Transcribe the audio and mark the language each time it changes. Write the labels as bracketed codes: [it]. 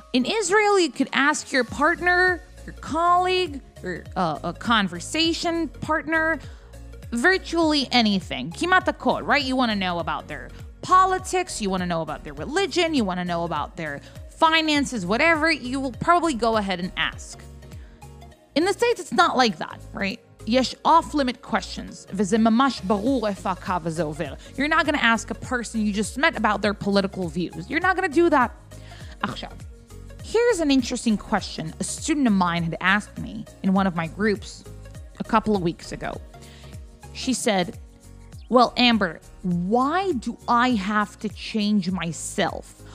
[en] In Israel, you could ask your partner, your colleague, your a conversation partner, virtually anything. [he] Kimat hakol, [en] right? You want to know about their politics, you want to know about their religion, you want to know about their finances, whatever, you will probably go ahead and ask. In the States, it's not like that, right? [he] יש [en] off-limit questions, [he] וזה ממש ברור איפה הקו הזה עובר. [en] You're not going to ask a person you just met about their political views. You're not going to do that. עכשיו, here's an interesting question a student of mine had asked me in one of my groups a couple of weeks ago. She said, well, Amber, why do I have to change myself?